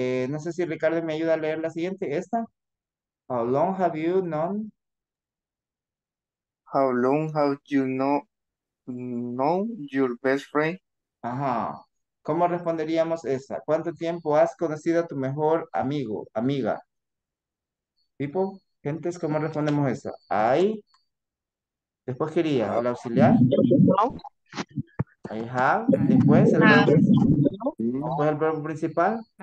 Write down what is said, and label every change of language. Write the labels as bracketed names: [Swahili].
[Spanish] No sé si Ricardo me ayuda a leer la siguiente, esta. [English] How long have you known? How long have you known your best friend? [Spanish] Ajá. ¿Cómo responderíamos esa? ¿Cuánto tiempo has conocido a tu mejor amigo, amiga? People, gentes, ¿cómo respondemos eso? I, después quería, el auxiliar. I have, después el verbo, después el verbo principal.